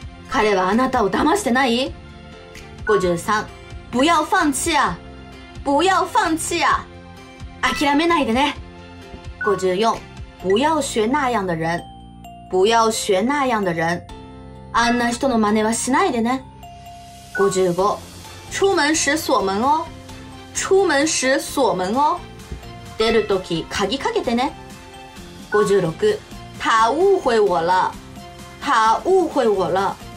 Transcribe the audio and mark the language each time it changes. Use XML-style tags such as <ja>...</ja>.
<ja>彼はあなたを騙してない？</ja> <zh>53、不要放弃啊，不要放弃啊，</zh> <ja>諦めないでね。</ja> <zh>54、不要学那样的人，不要学那样的人，</zh> <ja>あんな人の真似はしないでね。</ja> <zh>55、出门时锁门哦，出门时锁门哦，</zh> <ja>出るとき鍵かけてね。</ja> <zh>56、他误会我了，他误会我了，</zh>